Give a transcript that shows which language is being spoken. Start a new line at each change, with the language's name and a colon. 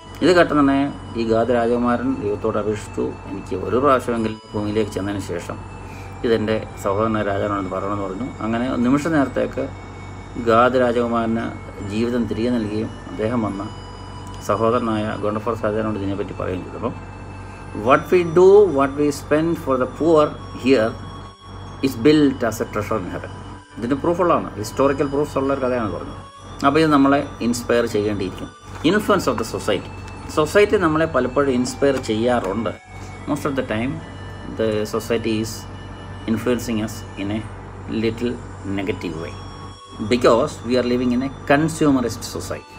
Malayalam: ഇത് കേട്ടതന്നെ ഈ ഗാദ് രാജകുമാരൻ ദൈവത്തോട് അപേക്ഷിച്ചു, എനിക്ക് ഒരു പ്രാവശ്യമെങ്കിലും ഭൂമിയിലേക്ക് ചെന്നതിന് ശേഷം ഇതെൻ്റെ സഹോദരനായ രാജാവാണെന്ന് പറയണമെന്ന് പറഞ്ഞു. അങ്ങനെ നിമിഷ നേരത്തേക്ക് ഗാദ് രാജകുമാരന് ജീവിതം തിരികെ നൽകുകയും അദ്ദേഹം വന്ന സഹോദരനായ ഗോണ്ടഫോർസ് രാജാവിനോട് ഇതിനെപ്പറ്റി പറയുകയും ചെയ്തു. അപ്പം
English: what we do, what we spend for the poor here is built as a treasure in heaven.
Malayalam: ഇതിന് പ്രൂഫുള്ളതാണ്, ഹിസ്റ്റോറിക്കൽ പ്രൂഫ്സ് ഉള്ള ഒരു കഥയാണ് പറഞ്ഞത്. അപ്പോൾ ഇത് നമ്മളെ inspire ചെയ്യേണ്ടിയിരിക്കും.
English: influence of the society,
Malayalam: society നമ്മളെ പലപ്പോഴും ഇൻസ്പയർ ചെയ്യാറുണ്ട്.
English: Most of the time the society is influencing us in a little negative way, because we are living in a consumerist society.